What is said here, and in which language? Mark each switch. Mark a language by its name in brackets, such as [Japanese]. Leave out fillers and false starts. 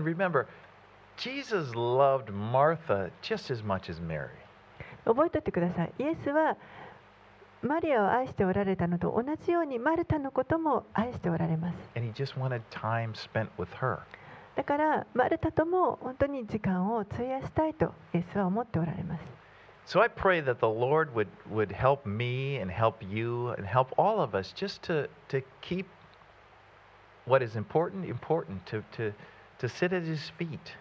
[English] And remember, Jesus loved Martha just as much as Mary. [Japanese] 覚えておいてくださいイエスはマリアを愛しておられたのと同じようにマルタのことも愛しておられます [English] And he just wanted time spent with her [Japanese] だからマルタとも本当に時間を費やしたいとイエスは思っておられます。 [English] So I pray that the Lord would help me and help you and help all of us just to keep what is important to sit at His feet.